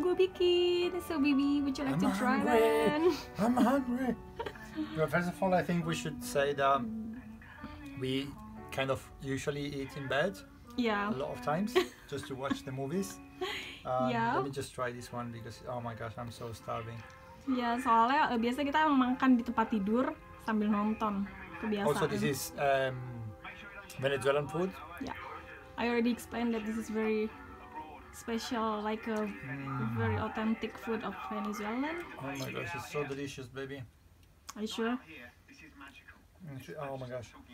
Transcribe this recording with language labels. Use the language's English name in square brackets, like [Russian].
[English] eat, so baby, would you like to try that? I'm hungry. Well, first of all, I think we should say that we kind of usually eat in bed. Yeah. A lot of times, just to watch the movies. Yeah. Let me just try this one because, oh my gosh, I'm so starving. [Indonesian] Yeah, soalnya biasa kita emang makan di tempat tidur sambil nonton. Kebiasaan. [English] Also, this is Venezuelan food. Yeah. I already explained that this is very special, like a very authentic food of Venezuela. Oh my gosh, it's so delicious, baby. Are you sure? Oh my gosh.